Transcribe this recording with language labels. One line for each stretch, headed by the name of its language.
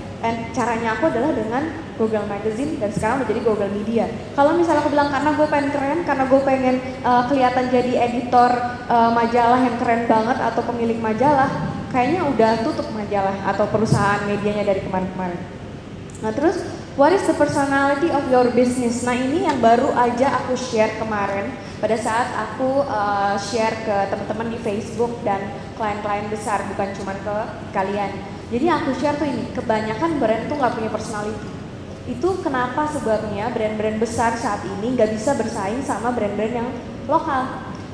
Indonesian: And caranya aku adalah dengan Google Magazine dan sekarang menjadi Google Media. Kalau misalnya aku bilang karena gue pengen keren, karena gue pengen kelihatan jadi editor majalah yang keren banget atau pemilik majalah, kayaknya udah tutup majalah atau perusahaan medianya dari kemarin-kemarin. Nah terus,
English: what is the personality of your business?
Indonesian: Nah ini yang baru aja aku share kemarin pada saat aku share ke teman-teman di Facebook dan klien-klien besar, bukan cuma ke kalian. Jadi aku share tuh ini, kebanyakan brand tuh gak punya personality. Itu kenapa sebabnya brand-brand besar saat ini gak bisa bersaing sama brand-brand yang lokal.